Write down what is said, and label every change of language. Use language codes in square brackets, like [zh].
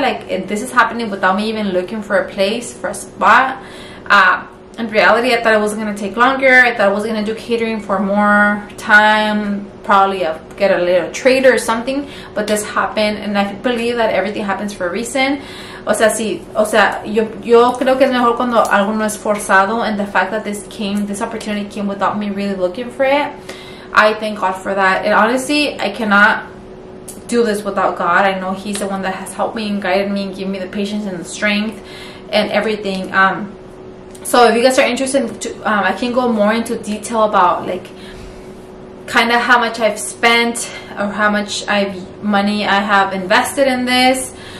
[en] Like, if this is happening without me even looking for a place, for a spot. In reality, I thought it wasn't going to take longer. I thought I was going to do catering for more time. Probably get a little trader or something. But this happened. And I believe that everything happens for a reason. [es] O sea, sí. O sea, yo creo que es mejor cuando algo no es forzado. [en] And the fact that this opportunity came without me really looking for it, I thank God for that. And honestly, I cannot do this without God. I know He's the one that has helped me and guided me and given me the patience and the strength and everything. So if you guys are interested, I can go more into detail about like kind of how much I've spent or how much money I have invested in this.